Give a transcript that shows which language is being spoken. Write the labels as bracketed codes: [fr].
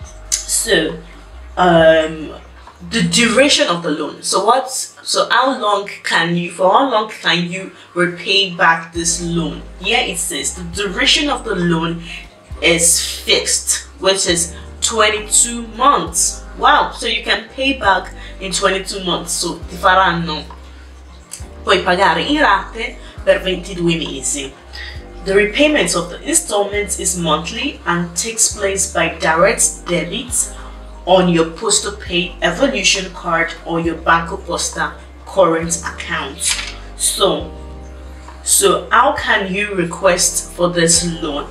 [en] So the duration of the loan, how long can you repay back this loan? Here it says the duration of the loan is fixed, which is 22 months. Wow, so you can pay back in 22 months. [it] So ti faranno poi pagare in rate per 22 mesi. [en] The repayment of the installments is monthly and takes place by direct debit on your PostePay Evolution card or your Banco Posta current account. So how can you request for this loan?